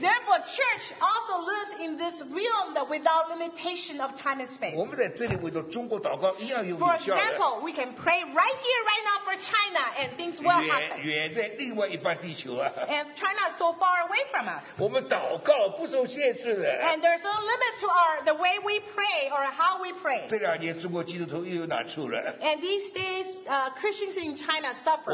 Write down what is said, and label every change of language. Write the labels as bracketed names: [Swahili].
[English] Therefore, church also lives in this realm that without limitation of time and space. [Chinese] 我们在这里为着中国祷告，一样有效的。 [English] For example, we can pray right here, right now for China, and things will happen. [Chinese] 远在另外一半地球啊。 [English] And China is so far away from us. [Chinese] 我们祷告不受限制的。 [English] And there's no limit to the way we pray or how we pray. [Chinese] 这两年中国基督徒又有哪处了？ [English] And these days, Christians in China suffer.